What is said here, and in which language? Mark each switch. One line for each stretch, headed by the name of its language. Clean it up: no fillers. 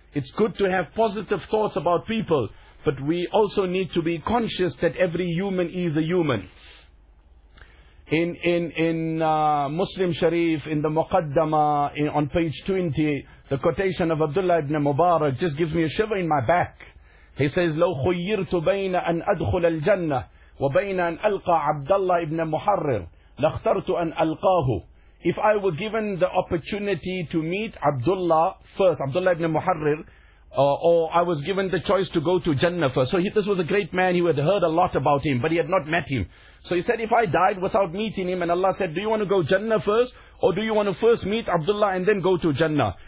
English: It's good to have positive thoughts about people, but we also need to be conscious that every human is a human. In Muslim Sharif, in the Muqaddama, on page 20, the quotation of Abdullah ibn Mubarak just gives me a shiver in my back. He says,
Arabic: لو خيرت بين أن أدخل الجنة وبين أن ألقى عبد الله ابن محرر لاخترت أن ألقاه.
English: If I were given the opportunity to meet Abdullah first, Abdullah ibn Muharrir, or I was given the choice to go to Jannah first. So this was a great man, he had heard a lot about him, but he had not met him. So he said, if I died without meeting him, and Allah said, do you want to go Jannah first, or do you want to first meet Abdullah and then go to Jannah?